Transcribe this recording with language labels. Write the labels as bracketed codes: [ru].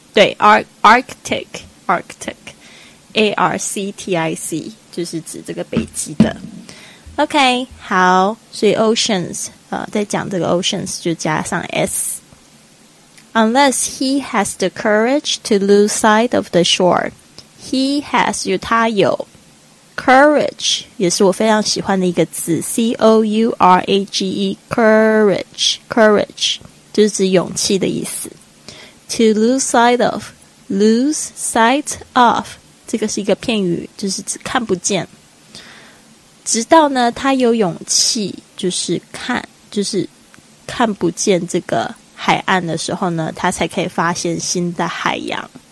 [zh] 对， Arctic A-R-C-T-I-C 就是指这个北极的。 OK， 好，所以 oceans 在讲这个 oceans 就加上 s。 [en] Unless he has the courage to lose sight of the shore， he has [zh] 有他有 [en] courage， [zh] 也是我非常喜欢的一个字， [en] C-O-U-R-A-G-E， courage， courage [zh] 就是指勇气的意思。 To [en] lose sight of， [zh] lose sight of 这个是一个片语，就是指看不见，直到呢他有勇气就是看不见这个海岸的时候呢，他才可以发现新的海洋。